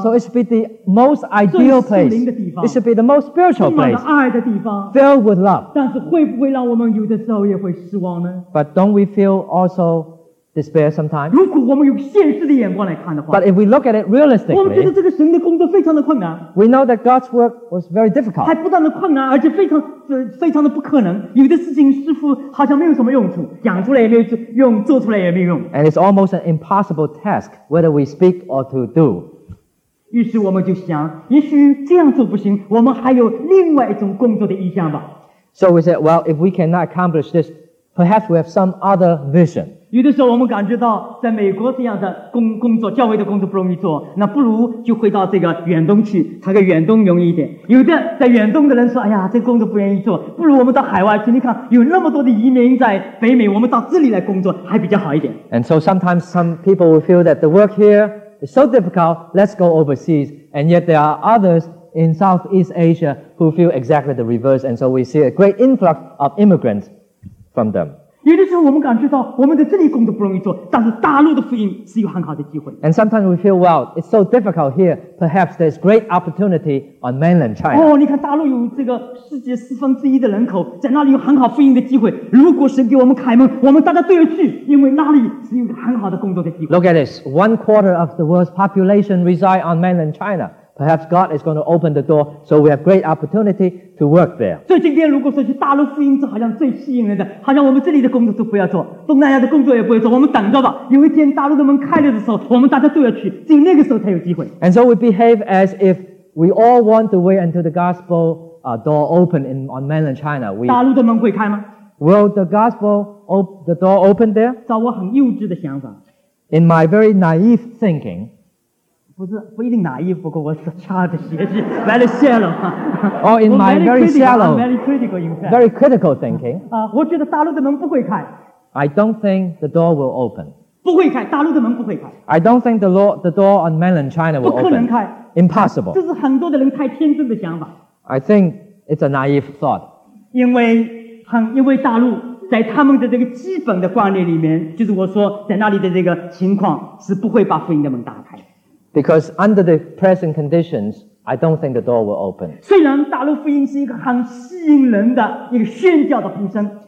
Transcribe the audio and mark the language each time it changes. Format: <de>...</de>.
<en>So it should be the most ideal place.</en> <zh>最属灵的地方。</zh> <en>It should be the most spiritual place.</en> <zh>充满了爱的地方。</zh> <en>Filled with love.</en> <zh>但是会不会让我们有的时候也会失望呢？</zh> <en>But don't we feel also despair sometimes?</en> <zh>如果我们用现实的眼光来看的话。</zh> <en>But if we look at it realistically.</en> <zh>我们觉得这个神的工作非常的困难。</zh> <en>We know that God's work was very difficult.</en> <zh>还不断的困难，而且非常的不可能，有的事情似乎好像没有什么用处，讲出来也没有用，做出来也没有用。</zh> <en>And it's almost an impossible task, whether we speak or to do.</en> <zh>于是我们就想，也许这样做不行，我们还有另外一种工作的意向吧。</zh> <en>So we said, well, if we cannot accomplish this, perhaps we have some other vision.</en> <zh>有的时候我们感觉到在美国这样的工作，教会的工作不容易做，那不如就回到这个远东去，大概远东容易一点。有的在远东的人说，哎呀，这工作不愿意做，不如我们到海外去，你看有那么多的移民在北美，我们到这里来工作还比较好一点。</zh> <en>And so sometimes some people will feel that the work here is so difficult, let's go overseas. And yet there are others in Southeast Asia who feel exactly the reverse. And so we see a great influx of immigrants from them.</en> <zh>有的时候我们感觉到我们的这里工作不容易做，但是大陆的福音是有很好的机会。</zh> <en>And sometimes we feel, well, it's so difficult here. Perhaps there's great opportunity on mainland China.</en> <zh>哦，你看大陆有这个世界四分之一的人口，在那里有很好福音的机会。如果神给我们开门，我们大概都要去，因为那里是有很好的工作的机会。</zh> <en>Look at this. One quarter of the world's population reside on mainland China. Perhaps God is going to open the door, so we have great opportunity to work there.</en> <zh>所以今天如果说去大陆福音，这好像最吸引人的，好像我们这里的工作都不要做，东南亚的工作也不要做，我们等着吧。有一天大陆的门开了的时候，我们大家都要去，只有那个时候才有机会。</zh> <en>And so we behave as if we all want to wait until the gospel door open on mainland China.</en> <zh>大陆的门会开吗？</zh> <en>Will the gospel the door open there?</en> <zh>照我很幼稚的想法。</zh> <en>In my very naive thinking.</en> <zh>不一定哪一不过我是差的学习</zh> <en>very shallow. Or in my very shallow, very critical, in fact. Very critical thinking.</en> <zh>我觉得大陆的门不会开。</zh> <en>I don't think the door will open.</en> <zh>不会开，大陆的门不会开。</zh> <en>I don't think the door on mainland China will open.</en> <zh>不可能开。</zh> <en>Impossible.</en> <zh>这是很多的人太天真的想法。</zh> <en>I think it's a naive thought.</en> <zh>因为大陆在他们的这个基本的观念里面，就是我说在那里的这个情况是不会把福音的门打开。</zh> <en>Because under the present conditions, I don't think the door will open.</en> <zh>虽然大陆福音是一个很吸引人的一个宣教的呼声。</zh>